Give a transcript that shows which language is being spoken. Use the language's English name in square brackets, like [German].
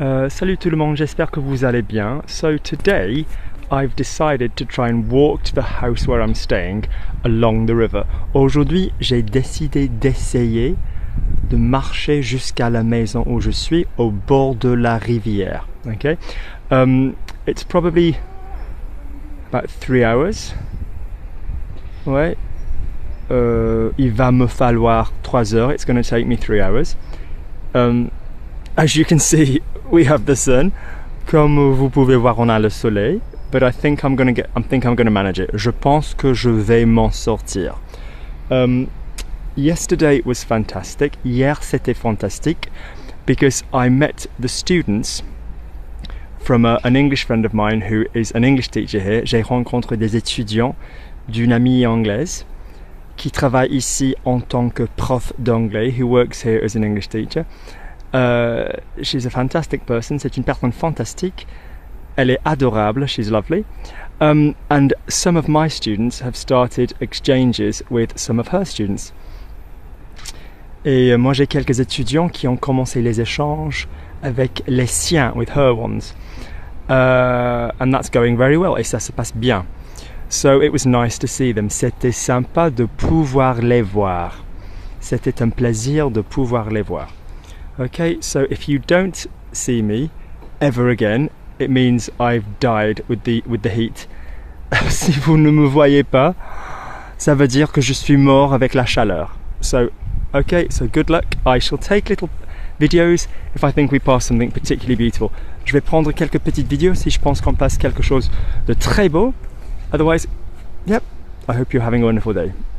[French] Salut tout le monde, j'espère que vous allez bien. [English] So today, I've decided to try and walk to the house where I'm staying along the river. [French] Aujourd'hui, j'ai décidé d'essayer de marcher jusqu'à la maison où je suis au bord de la rivière. [English] Okay? It's probably about 3 hours. Ouais. [French] Il va me falloir 3 heures. [English] It's going to take me 3 hours. As you can see, we have the sun. [French] Comme vous pouvez voir, on a le soleil. [English] But I think I'm gonna manage it. [French] Je pense que je vais m'en sortir. [English] Yesterday was fantastic. [French] Hier c'était fantastique [English] because I met the students from an English friend of mine who is an English teacher here. [French] J'ai rencontré des étudiants d'une amie anglaise qui travaille ici en tant que prof d'anglais, [English] who works here as an English teacher. She's a fantastic person, [French] c'est une personne fantastique. Elle est adorable, [English] she's lovely. And some of my students have started exchanges with some of her students. [French] Et moi j'ai quelques étudiants qui ont commencé les échanges avec les siens, [English] with her ones. And that's going very well, [French] et ça se passe bien. [English] So it was nice to see them. [French] C'était sympa de pouvoir les voir. C'était un plaisir de pouvoir les voir. [English] Okay, so if you don't see me ever again, it means I've died with the heat. [French] Si vous ne me voyez pas, ça veut dire que je suis mort avec la chaleur. [English] So, okay, so good luck. I shall take little videos if I think we pass something particularly beautiful. [French] Je vais prendre quelques petites vidéos si je pense qu'on passe quelque chose de très beau. [English] Otherwise, yep, I hope you're having a wonderful day.